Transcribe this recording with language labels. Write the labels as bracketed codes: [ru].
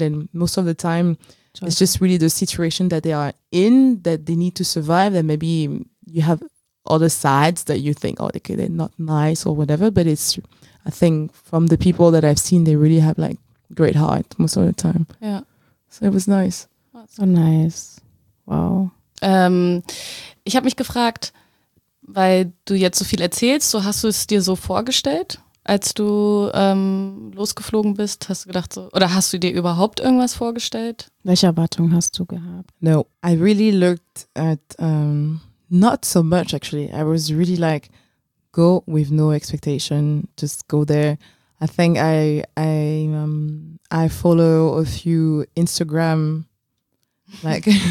[en] And most of the time, it's just really the situation that they are in, that they need to survive. And maybe you have other sides that you think, oh, okay, they're not nice or whatever. But it's, I think from the people that I've seen, they really have like great heart most of the time. Yeah. So it was nice. That's so nice. Wow. [de] Ich habe mich gefragt, weil du jetzt so viel erzählst, so hast du es dir so vorgestellt, als du losgeflogen bist? Hast du gedacht so, oder hast du dir überhaupt irgendwas vorgestellt? Welche Erwartungen hast du gehabt? [en] No, I really looked at not so much actually. I was really like, go with no expectation, just go there. I think I follow a few Instagram like.